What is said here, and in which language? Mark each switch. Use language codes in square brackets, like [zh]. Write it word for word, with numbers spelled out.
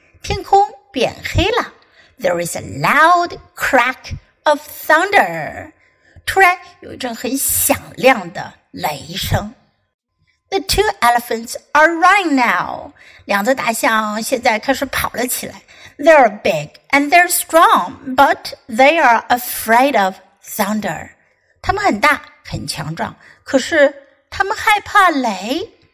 [zh] 天空变黑了。 [en] There is a loud crack of thunder. [zh] 突然有一阵很响亮的雷声。 [en] The two elephants are running now. [zh] 两只大象现在开始跑了起来。 [en] They are big and they're strong, but they are afraid of thunder. [zh] 他们很大，很强壮，可是他们害怕雷。